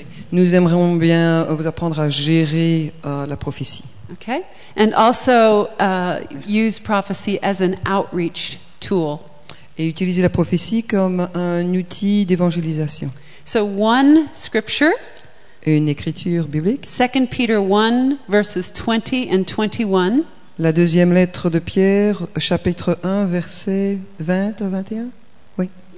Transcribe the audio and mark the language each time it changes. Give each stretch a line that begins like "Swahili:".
French: Nous aimerions bien vous apprendre à gérer la prophétie.
English: Okay. And also use prophecy as an outreach tool.
French: Et utiliser la prophétie comme un outil d'évangélisation.
English: So one scripture.
French: Une écriture biblique.
English: 2 Peter 1 verses 20 and 21.
French: La deuxième lettre de Pierre, chapitre 1, verset 20 à 21. Oui.